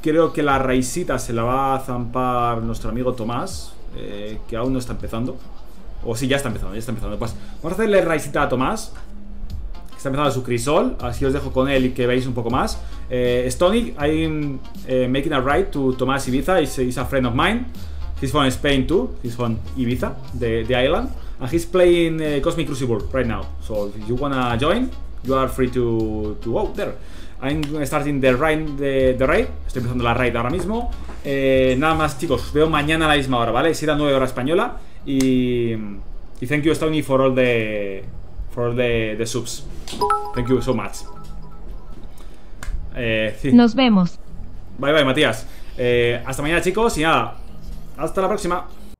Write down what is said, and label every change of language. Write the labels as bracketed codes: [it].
[es] Creo que la raicita se la va a zampar nuestro amigo Tomás, que aún no está empezando. O sí, ya está empezando. Pues vamos a hacerle raicita a Tomás. Está empezando su crisol, así os dejo con él y que veáis un poco más. [en] Stonic, I'm making a ride to Tomás Ibiza, he's a friend of mine. He's from Spain too, he's from Ibiza, the island. And he's playing Cosmic Crucible right now. So if you wanna join, you are free to go there. I'm starting the raid, [es] estoy empezando la raid ahora mismo. Nada más, chicos, os veo mañana a la misma hora, ¿vale? 7 a 9 hora española. [en] Y thank you, Stonic, for all the subs. Thank you so much. [es] Sí. Nos vemos. [en] Bye bye, [es] Matías. Hasta mañana, chicos, y nada. Hasta la próxima.